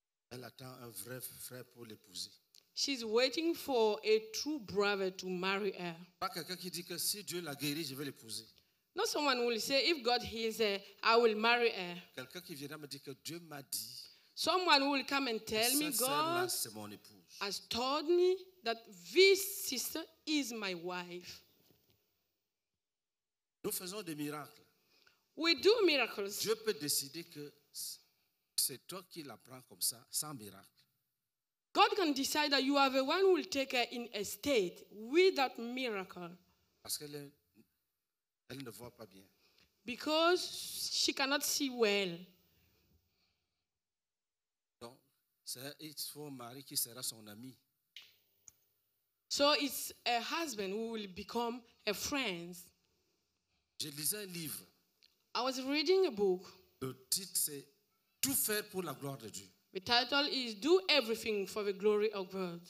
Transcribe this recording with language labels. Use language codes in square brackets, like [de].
[fr] Elle attend un vrai frère pour l'épouser. [en] She's waiting for a true brother to marry her. [fr] Pas quelqu'un qui dit que si Dieu la guérit, je vais l'épouser. [en] Not someone will say if God heals her, I will marry her. [fr] Quelqu'un qui viendra me dire que Dieu m'a dit. [en] Someone will come and tell me God [fr] c'est mon épouse. [en] Has told me that this sister is my wife. [fr] Nous faisons des miracles. [en] We do miracles. [fr] Dieu peut décider que c'est toi qui la prends comme ça, sans miracle. [en] God can decide that you are the one who will take her in a state without miracle. [fr] Parce qu'elle elle ne voit pas bien. [en] Because she cannot see well. [fr] Donc, c'est un mari qui sera son ami. [en] So it's a husband who will become a friend. [fr] Je lisais un livre. [en] I was reading a book. [fr] Le titre c'est tout faire pour la gloire de Dieu. [en] The title is Do Everything for the Glory of God.